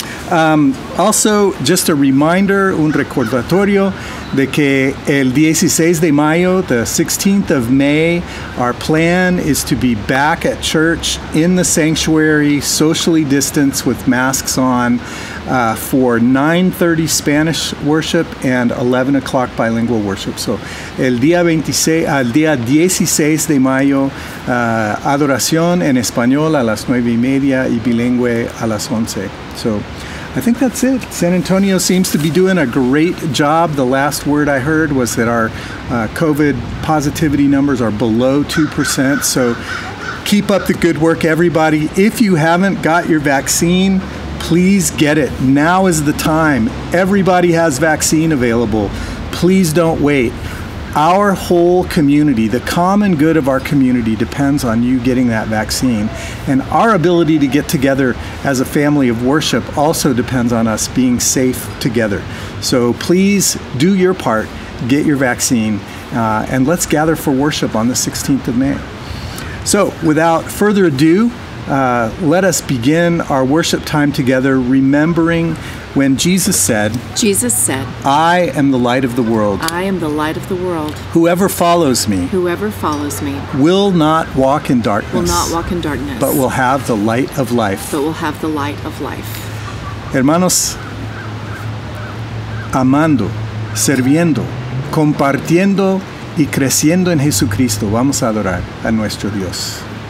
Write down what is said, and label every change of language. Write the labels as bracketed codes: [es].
[en] Also, just a reminder, [es] un recordatorio, de que el 16 de mayo, [en] the 16th of May, our plan is to be back at church in the sanctuary, socially distanced with masks on, for 9:30 Spanish worship and 11 o'clock bilingual worship. [es] So, el día 16 de mayo, adoración en español a las 9:30 y bilingüe a las 11. [en] So, I think that's it. San Antonio seems to be doing a great job. The last word I heard was that our COVID positivity numbers are below 2%. So keep up the good work, everybody. If you haven't got your vaccine, please get it. Now is the time. Everybody has vaccine available. Please don't wait. Our whole community, the common good of our community, depends on you getting that vaccine. And our ability to get together as a family of worship also depends on us being safe together. So please do your part, get your vaccine, and let's gather for worship on the 16th of May. So without further ado, let us begin our worship time together, remembering when Jesus said, I am the light of the world. I am the light of the world. Whoever follows me, will not walk in darkness, but will have the light of life. [es] Hermanos, amando, sirviendo, compartiendo y creciendo en Jesucristo, vamos a adorar a nuestro Dios.